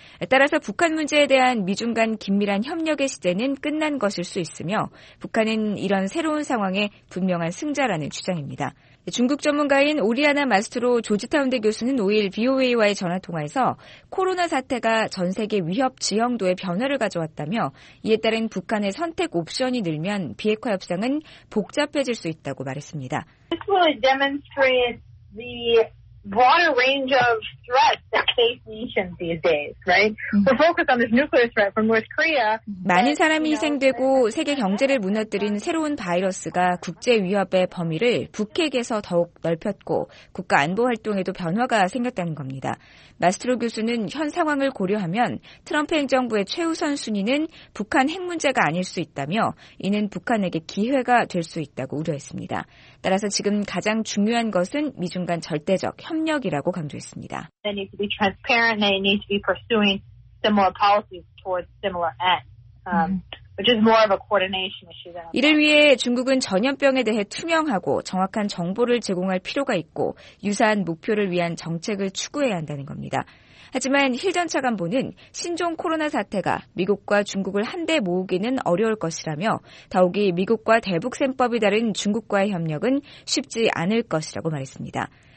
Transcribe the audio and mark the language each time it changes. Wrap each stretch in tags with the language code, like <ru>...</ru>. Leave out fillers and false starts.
<ko>따라서 북한 문제에 대한 미중 간 긴밀한 협력의 시대는 끝난 것일 수 있으며 북한은 이런 새로운 상황에 분명한 승자라는 주장입니다. 중국 전문가인 오리아나 마스트로 조지타운대 교수는 5일 BOA와의 전화통화에서 코로나 사태가 전 세계 위협 지형도에 변화를 가져왔다며 이에 따른 북한의 선택 옵션이 늘면 비핵화 협상은 복잡해질 수 있다고 말했습니다.</ko> <en>This will demonstrate the broader range of threats that face nations these days, right? We're focused on this nuclear threat from North Korea.</en> <ko>많은 사람이 희생되고 세계 경제를 무너뜨린 새로운 바이러스가 국제 위협의 범위를 북핵에서 더욱 넓혔고 국가 안보 활동에도 변화가 생겼다는 겁니다. 마스트로 교수는 현 상황을 고려하면 트럼프 행정부의 최우선 순위는 북한 핵 문제가 아닐 수 있다며 이는 북한에게 기회가 될 수 있다고 우려했습니다. 따라서 지금 가장 중요한 것은 미중 간 절대적 협력이라고 강조했습니다.</ko> <en>They need to be transparent. They need to be pursuing similar policies towards similar ends. Which is more of a coordination issue than.</en> <ko>이를 위해 중국은 전염병에 대해 투명하고 정확한 정보를 제공할 필요가 있고 유사한 목표를 위한 정책을 추구해야 한다는 겁니다. 하지만 힐 전 차관보는 신종 코로나 사태가 미국과 중국을 한데 모으기는 어려울 것이라며 더욱이 미국과 대북셈법이 다른 중국과의 협력은 쉽지 않을 것이라고 말했습니다.</ko>